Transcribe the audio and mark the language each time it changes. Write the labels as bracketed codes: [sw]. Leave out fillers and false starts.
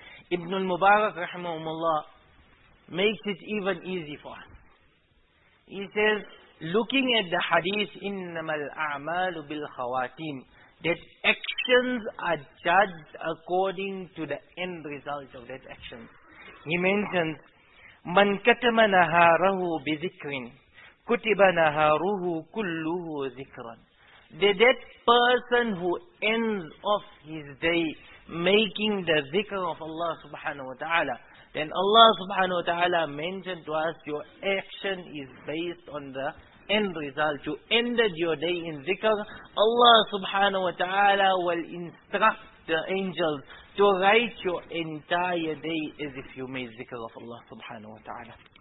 [en] Ibn al-Mubarak rahimahumullah makes it even easy for us. He says, looking at the hadith, [ar] إنما الأعمال بالخواتيم, [en] that actions are judged according to the end result of that action. He mentions, [ar] مَنْ كَتَمَ نَهَارَهُ بِذِكْرٍ كُتِبَ نَهَارُهُ كُلُّهُ ذِكْرًا. [en] That person who ends off his day making the dhikr of Allah subhanahu wa ta'ala, then Allah subhanahu wa ta'ala mentioned to us, your action is based on the end result. You ended your day in zikr. Allah subhanahu wa ta'ala will instruct the angels to write your entire day as if you made zikr of Allah subhanahu wa ta'ala.